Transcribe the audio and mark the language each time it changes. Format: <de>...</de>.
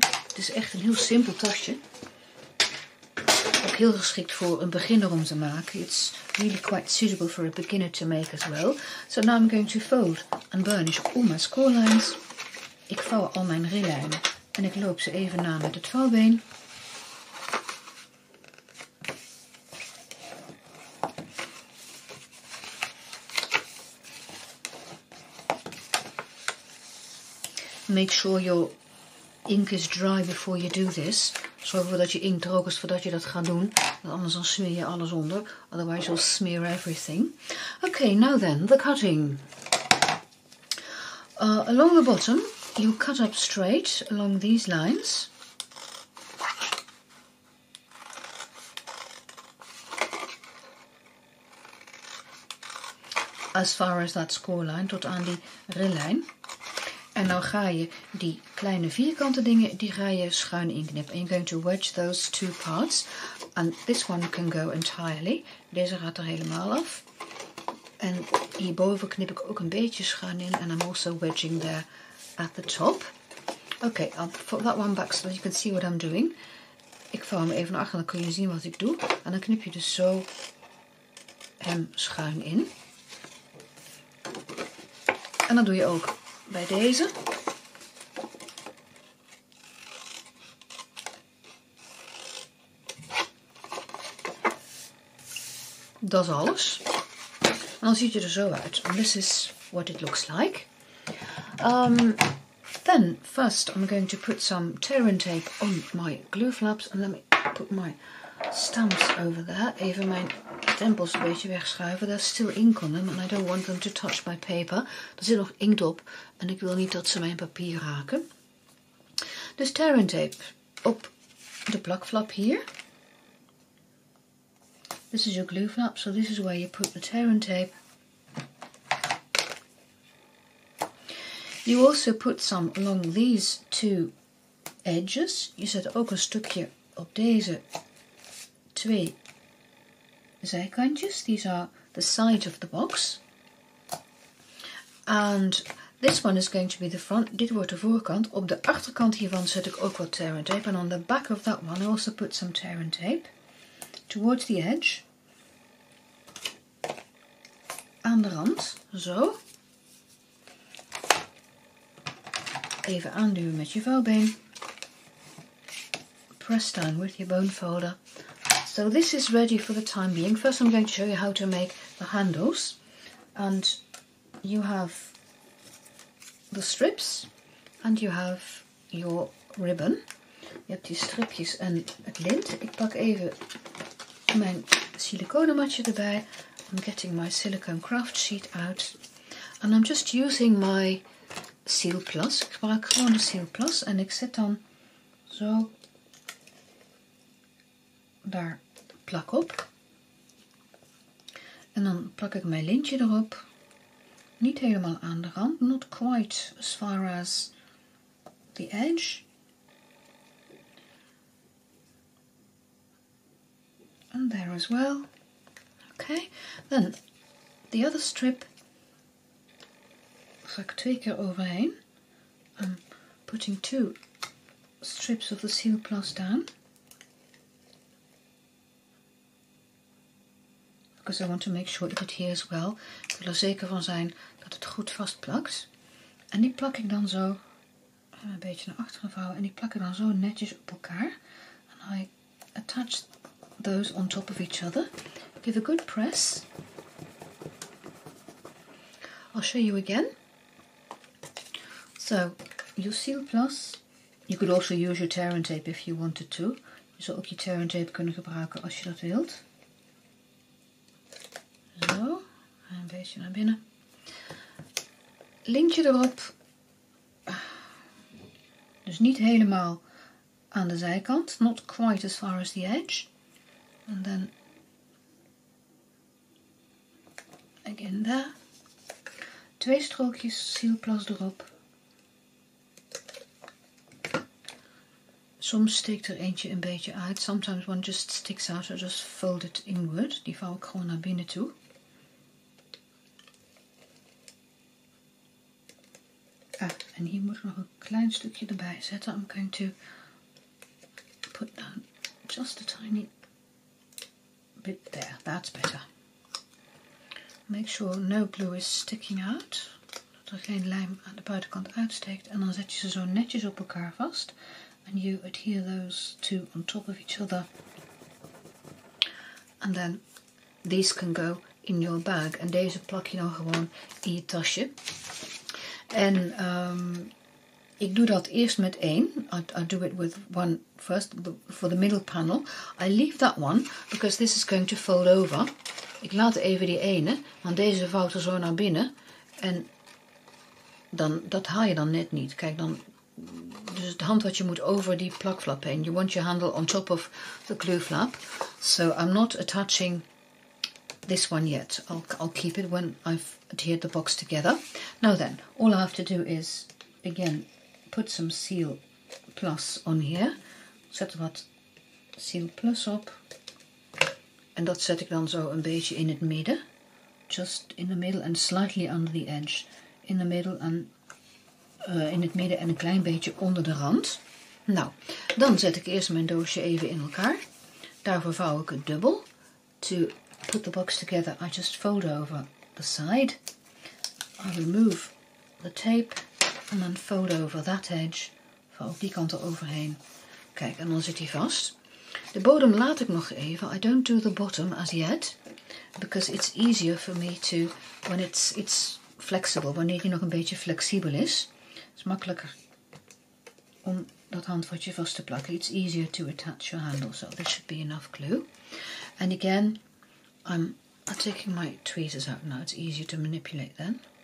<nl>Het is echt een heel simpel tasje. Heel geschikt voor een beginner om te maken.</nl> <en>It's really quite suitable for a beginner to make as well. So now I'm going to fold and burnish all my score lines.</en> <nl>Ik vouw al mijn rillijnen en ik loop ze even na met het vouwbeen.</nl> <en>Make sure your ink is dry before you do this.</en> <nl>Zorg ervoor dat je inkt droog is voordat je dat gaat doen. Want anders dan smeer je alles onder.</nl> <en>Otherwise you'll smear everything. Okay, now then, the cutting. Along the bottom, you cut up straight along these lines. As far as that score line,</en> <nl>tot aan die rillijn. En dan ga je die kleine vierkante dingen, die ga je schuin inknippen.</nl> <en>And you're going to wedge those two parts. And this one can go entirely.</en> <nl>Deze gaat er helemaal af. En hierboven knip ik ook een beetje schuin in.</nl> <en>And I'm also wedging there at the top. Okay, I'll put that one back so that you can see what I'm doing.</en> <nl>Ik vouw hem even naar achter, dan kun je zien wat ik doe. En dan knip je dus zo hem schuin in. En dat doe je ook. Bij deze. Dat is alles. En dan ziet je er zo uit.</nl> <en>And this is what it looks like. Then, first I'm going to put some tear and tape on my glue flaps. And let me put my stamps over there.</en> <nl>Even mijn stempels een beetje wegschuiven.</nl> <en>There's still ink on them and I don't want them to touch my paper.</en> <nl>Er zit nog inkt op en ik wil niet dat ze mijn papier raken. Dus tear and tape op de plakflap hier.</nl> <en>This is your glue flap, so this is where you put the tear and tape. You also put some along these two edges.</en> <nl>Je zet ook een stukje op deze twee zijkantjes.</nl> <en>These are the side of the box. And this one is going to be the front.</en> <nl>Dit wordt de voorkant. Op de achterkant hiervan zet ik ook wat tear and tape.</nl> <en>And on the back of that one I also put some tear and tape to towards the edge.</en> <nl>Aan de rand, zo. Even aanduwen met je vouwbeen.</nl> <en>Press down with your bone folder. So this is ready for the time being. First I'm going to show you how to make the handles. And you have the strips and you have your ribbon.</en> <nl>Je hebt die stripjes en het lint. Ik pak even mijn siliconenmatje erbij.</nl> <en>I'm getting my silicone craft sheet out. And I'm just using my Seal Plus.</en> <nl>Ik gebruik gewoon de Seal Plus en ik zet dan zo daar plak op. En dan plak ik mijn lintje erop. Niet helemaal aan de rand.</nl> <en>Not quite as far as the edge. And there as well. Okay. Then the other strip.</en> <nl>Ga ik twee keer overheen.</nl> <en>I'm putting two strips of the Seal Plus down. Because I want to make sure that it adheres well.</en> <nl>Ik wil er zeker van zijn dat het goed vastplakt. En die plak ik dan zo een beetje naar achteren vouwen. En die plak ik dan zo netjes op elkaar.</nl> <en>And I attach those on top of each other. Give a good press. I'll show you again. So, your Seal Plus. You could also use your tear and tape if you wanted to.</en> <nl>Je zou ook je tear and tape kunnen gebruiken als je dat wilt. Zo, een beetje naar binnen. Lintje erop. Dus niet helemaal aan de zijkant.</nl> <en>Not quite as far as the edge. And then again there.</en> <nl>Twee strookjes Seal Plus erop. Soms steekt er eentje een beetje uit.</nl> <en>Sometimes one just sticks out or just fold it inward.</en> <nl>Die vouw ik gewoon naar binnen toe. Ah, en hier moet ik nog een klein stukje erbij zetten.</nl> <en>I'm going to put down just a tiny bit there. That's better. Make sure no glue is sticking out.</en> <nl>Dat er geen lijm aan de buitenkant uitsteekt. En dan zet je ze zo netjes op elkaar vast.</nl> <en>And you adhere those two on top of each other. And then these can go in your bag.</en> <nl>En deze plak je dan gewoon in je tasje. En ik doe dat eerst met één.</nl> <en>I do it with one first for the middle panel. I leave that one because this is going to fold over.</en> <nl>Ik laat even die ene, want deze vouwt er zo naar binnen. En dan, dat haal je dan net niet. Kijk dan. Dus het hand wat je moet over die plakflap heen.</nl> <en>You want your handle on top of the glue flap. So I'm not attaching this one yet. I'll keep it when I've adhered the box together. Now then, all I have to do is, again, put some Seal Plus on here.</en> <nl>Zet wat Seal Plus op. En dat zet ik dan zo een beetje in het midden.</nl> <en>Just in the middle and slightly under the edge. In the middle and in</en> <nl>het midden en een klein beetje onder de rand. Nou, dan zet ik eerst mijn doosje even in elkaar. Daarvoor vouw ik het dubbel.</nl> <en>To put the box together, I just fold over the side. I remove the tape and then fold over that edge.</en> <nl>Vouw ik die kant er overheen. Kijk, en dan zit hij vast. De bodem laat ik nog even.</nl> <en>I don't do the bottom as yet. Because it's easier for me to, when it's flexible,</en> <nl>wanneer hij nog een beetje flexibel is. Het is makkelijker om dat handvatje vast te plakken.</nl> <en>It's easier to attach your handle, so this should be enough glue. And again, I'm taking my tweezers out now. It's easier to manipulate then.</en>